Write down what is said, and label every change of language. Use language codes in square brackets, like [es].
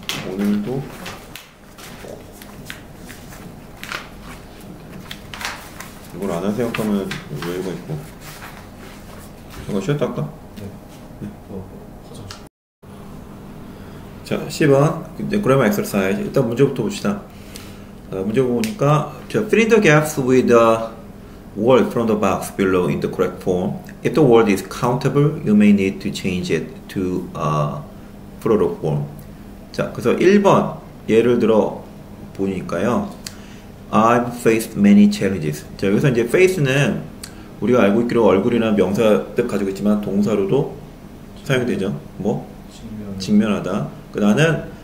[ko] 오늘도 이걸 안 하세요? 그러면 여유가 있고. 잠깐 쉬었다 할까? 네. 자, 10번 이제 그래머 엑서사이즈. 일단 문제부터 봅시다. 문제 보니까 자, [en] fill in the gaps with the word from the box below in the correct form. If the word is countable, you may need to change it to a plural form. [ko] 자, 그래서 1번 예를 들어 보니까요. [en] I've faced many challenges. [ko] 자, 여기서 이제 face는 우리가 알고 있기로 얼굴이나 명사 뜻 가지고 있지만 동사로도 사용되죠. 뭐? 직면. 직면하다. 그 나는